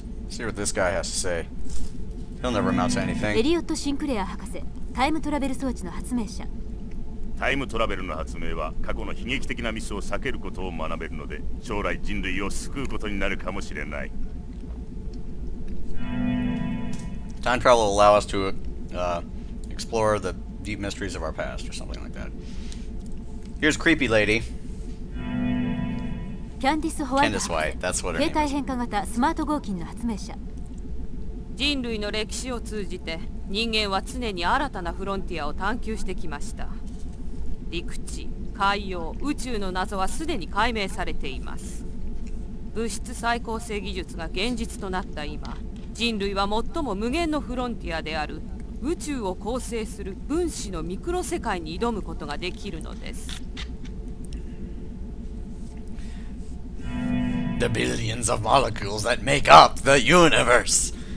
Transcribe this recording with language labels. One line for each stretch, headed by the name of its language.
English: See what this guy has to say. He'll never amount to anything.
Japanese: エリオット・シンクレア博士、タイムトラベル装置の発明者。タイムトラベルの発明は過去の悲劇的なミスを避けることを学べるので、将来人類を救うことになるかもしれない。 Time travel will allow us to explore the deep mysteries of our past, or something like that. Here's creepy lady. キャンディス・ホワイト、形態変化型スマート合金の発明者。人類の歴史を通じて人間は常に新たなフロンティアを探求してきました。陸地、海洋、宇宙の謎はすでに解明されています。物質再構成技術が現実となった今、人類は最も無限のフロンティアである宇宙を構成する分子のミクロ世界に挑むことができるのです。
English: The billions of molecules that make up the universe.